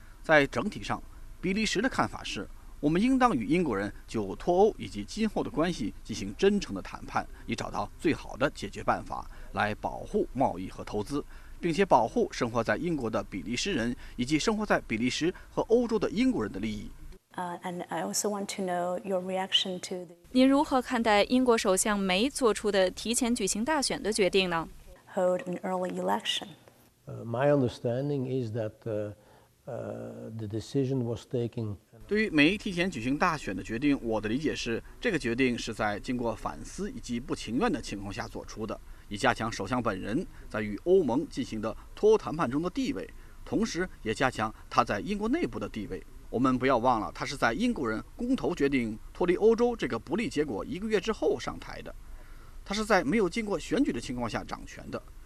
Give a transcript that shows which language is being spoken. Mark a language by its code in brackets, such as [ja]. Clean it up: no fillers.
[zh] 在整体上，比利时的看法是，我们应当与英国人就脱欧以及今后的关系进行真诚的谈判，以找到最好的解决办法来保护贸易和投资，并且保护生活在英国的比利时人以及生活在比利时和欧洲的英国人的利益。您如何看待英国首相梅做出的提前举行大选的决定呢？ [en] Hold an early election. My understanding is that the decision was taken. [zh] 对于梅提前举行大选的决定，我的理解是，这个决定是在经过反思以及不情愿的情况下做出的，以加强首相本人在与欧盟进行的脱欧谈判中的地位，同时也加强他在英国内部的地位。我们不要忘了，他是在英国人公投决定脱离欧洲这个不利结果一个月之后上台的，他是在没有经过选举的情况下掌权的。